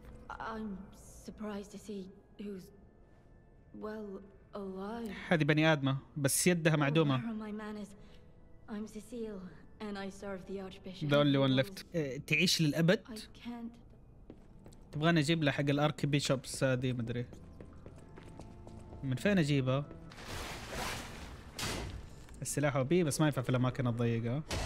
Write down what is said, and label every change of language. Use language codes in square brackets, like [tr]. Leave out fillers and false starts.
[en] I'm surprised to see who's well alive. [ar] هذه بني آدمة بس يدها معدومة. [en] I'm Cecile and I serve the Archbishop. The only one left. [ar] تعيش للأبد؟ تبغاني أجيب له حق الأرك بيشوب سادي مدري. من فين أجيبه؟ السلاح أبي بس ما ينفع في الأماكن الضيقة.